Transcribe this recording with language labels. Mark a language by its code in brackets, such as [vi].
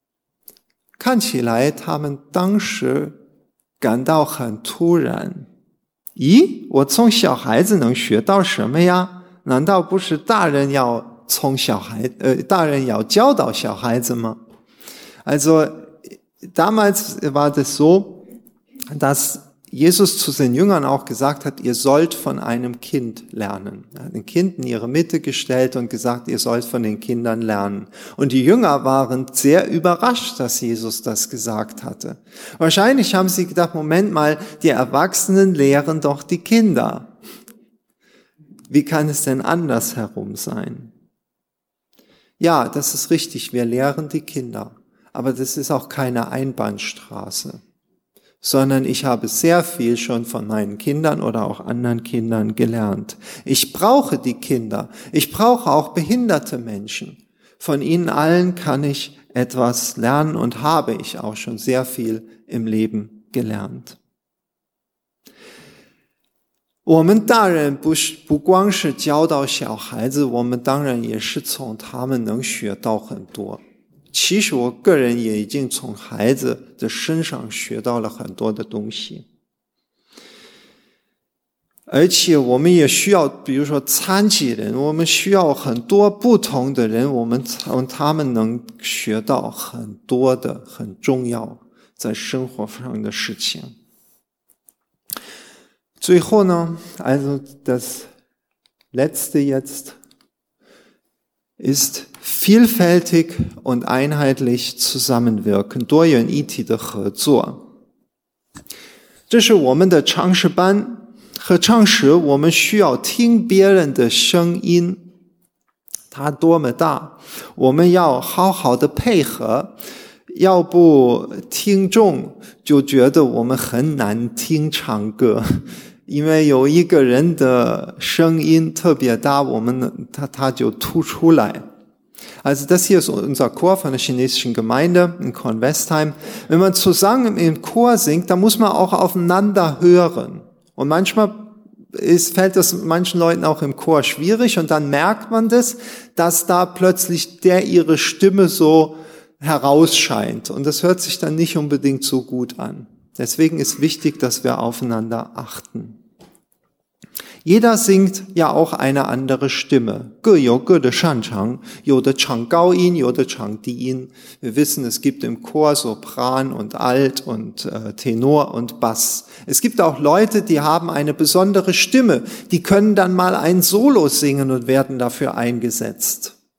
[zh] 耶稣对门徒说，你们要从小孩子学习。看起来他们当时 感到很突然，咦，我从小孩子能学到什么呀？难道不是大人要教导小孩子吗？ [de] Also damals war das so, dass Jesus zu seinen Jüngern auch gesagt hat, ihr sollt von einem Kind lernen. Er hat ein Kind in ihre Mitte gestellt und gesagt, ihr sollt von den Kindern lernen. Und die Jünger waren sehr überrascht, dass Jesus das gesagt hatte. Wahrscheinlich haben sie gedacht, Moment mal, die Erwachsenen lehren doch die Kinder. Wie kann es denn andersherum sein? Ja, das ist richtig, wir lehren die Kinder. Aber das ist auch keine Einbahnstraße. Sondern ich habe sehr viel schon von meinen Kindern oder auch anderen Kindern gelernt. Ich brauche die Kinder. Ich brauche auch behinderte Menschen. Von ihnen allen kann ich etwas lernen und habe ich auch schon sehr viel im Leben gelernt. [zh] 我们大人不光是教导小孩子，我们当然也是从他们能学到很多。其实我个人也已经从孩子的身上学到了很多的东西。而且我们也需要比如说残疾人，我们需要很多不同的人，我们从他们能学到很多的很重要在生活上的事情。最后呢， [de] also das letzte jetzt ist vielfältig und einheitlich zusammenwirken， [zh] 多元一体的合作。这是我们的唱诗班和唱诗，我们需要听别人的声音，它多么大，我们要好好的配合，要不听众就觉得我们很难听唱歌，因为有一个人的声音特别大，我们他就突出来。 [de] Also das hier ist unser Chor von der chinesischen Gemeinde in Kornwestheim. Wenn man zusammen im Chor singt, dann muss man auch aufeinander hören. Und manchmal fällt das manchen Leuten auch im Chor schwierig und dann merkt man das, dass da plötzlich der ihre Stimme so herausscheint. Und das hört sich dann nicht unbedingt so gut an. Deswegen ist wichtig, dass wir aufeinander achten. Jeder singt ja auch eine andere Stimme. [zh] 各有各的擅长，有的唱高音，有的唱低音。 [de] Wir wissen, es gibt im Chor Sopran und Alt und Tenor und Bass. Es gibt auch Leute, die haben eine besondere Stimme. Die können dann mal ein Solo singen und werden dafür eingesetzt.